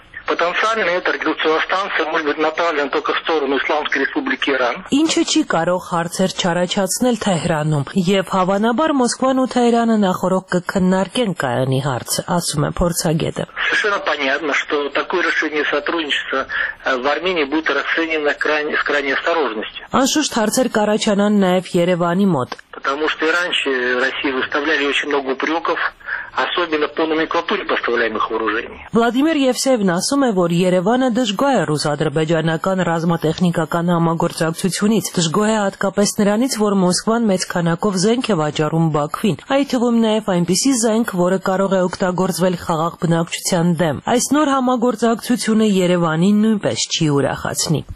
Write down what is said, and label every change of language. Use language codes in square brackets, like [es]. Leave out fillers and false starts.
[hy] Ինչը չի կարող հարցեր չառաջացնել Թեհրանում, և հավանաբար Մոսկվան ու Թեհրանը նախորոք կքննարկեն կայանի հարցը, ասում է փորձագետը։ [ru] Совершенно понятно, что такое решение сотрудничества в Армении будет расценено с крайней осторожностью. [hy] Անշուշտ հարցեր կառաջանան նաև Երևանի մոտ, [ru] потому что раньше России выставляли очень много упреков, особенно по номенклатуре поставляемых вооружений. [hy] Владимир Евсеев ասում է, որ Երևանը դժգոհ է ռուս-ադրբեջանական ռազմատեխնիկական համագործակցությունից, դժգոհ է հատկապես նրանից, որ Մոսկվան մեծ քանակով զենք է վաճառում Բաքվին, այդ թվում նաև այնպիսի զենք, որը կարող է օգտագործվել խաղաղ բնակչության դեմ։ Այս նոր համագործակցությունը Երևանին նույնպես չի ուրախացնի։